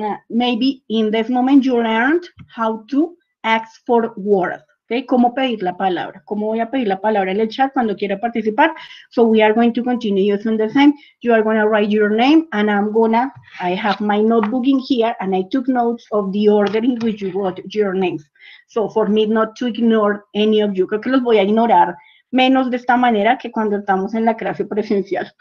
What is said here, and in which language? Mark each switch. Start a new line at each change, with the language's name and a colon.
English: Maybe in this moment you learned how to ask for words.
Spanish: Okay, ¿cómo pedir la palabra? ¿Cómo voy a pedir la palabra en el chat cuando quiera participar?
English: So we are going to continue using the same. You are going to write your name and I have my notebook in here and I took notes of the order in which you wrote your names. So for me not to ignore any of you.
Spanish: Creo que los voy a ignorar menos de esta manera que cuando estamos en la clase presencial.